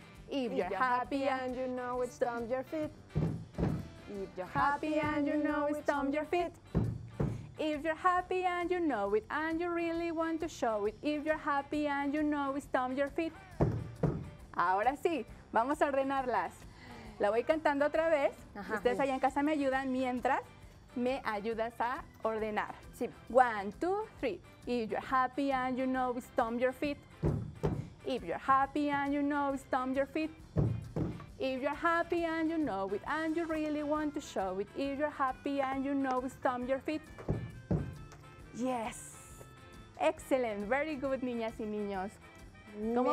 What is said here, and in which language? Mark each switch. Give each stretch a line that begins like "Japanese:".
English: If you're happy and you know it, stomp your feet. If you're happy and you know it, stomp your feet. If you're happy and you know it, and you really want to show it. If you're happy and you know it, stomp your feet.
Spanish: Ahora sí, vamos a ordenarlas. La voy cantando otra vez. Ajá, ustedes allá en casa me ayudan mientras me ayudas a ordenar. Sí.
English: One, two, three. If you're happy and you know it, stomp your feet. If you're happy and you know it, stomp your feet. If you're happy and you know it, and you really want to show it. If you're happy and you know it, stomp your feet. Yes. Excellent. Very good,
Spanish: niñas y niños. ¿Cómo